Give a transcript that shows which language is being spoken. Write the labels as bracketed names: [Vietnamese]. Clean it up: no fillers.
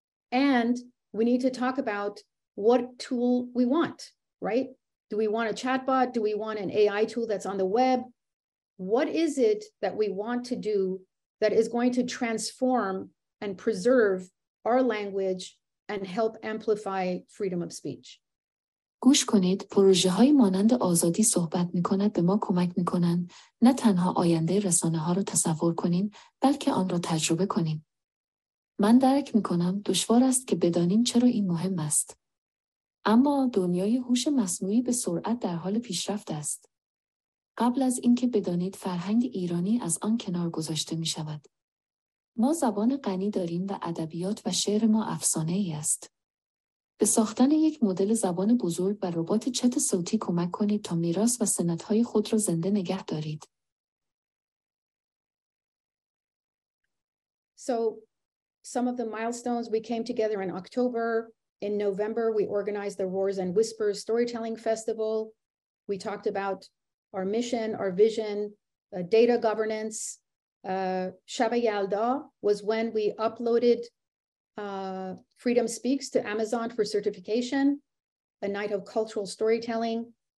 [English] And we need to talk about what tool we want, right? Do we want a chatbot? Do we want an AI tool that's on the web? What is it that we want to do that is going to transform and preserve our language and help amplify freedom of speech? [Persian] گوش کنید، پروژه‌های مانند آزادی صحبت می‌کند به ما کمک می‌کنند نه تنها آینده رسانه‌ها را تصور کنیم، بلکه آن را تجربه کنیم. من درک می‌کنم دشوار است که بدانیم چرا این مهم است. اما دنیای هوش مصنوعی به سرعت در حال پیشرفت است. قبل از اینکه بدانید فرهنگ ایرانی از آن کنار گذاشته می شود. ما زبان غنی داریم و ادبیات و شعر ما افسانه ای است. به ساختن یک مدل زبان بزرگ و ربات چت صوتی کمک کنید تا میراث و سنت‌های خود را زنده نگه دارید. [English] So, some of the milestones we came together in October. In November, we organized the Roars and Whispers Storytelling Festival. We talked about our mission, our vision, data governance. Shaba Yalda was when we uploaded Freedom Speaks to Amazon for certification, a night of cultural storytelling.